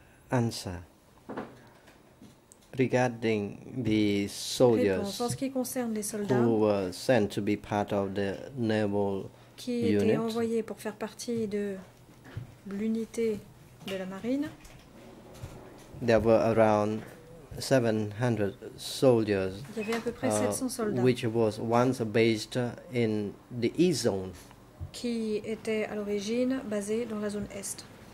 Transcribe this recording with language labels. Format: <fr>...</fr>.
<en>Answer. Regarding the soldiers who were sent to be part of the naval</en> <fr>qui</fr> <en>unit,</en> <fr>étaient envoyés pour faire partie de l'unité de la marine,</fr> <en>there were around 700 soldiers,</en> <fr>il y avait à peu près 700 soldats,</fr> <en>which was once based in the East Zone,</en> <fr>qui était à l'origine basé dans la zone Est.</fr>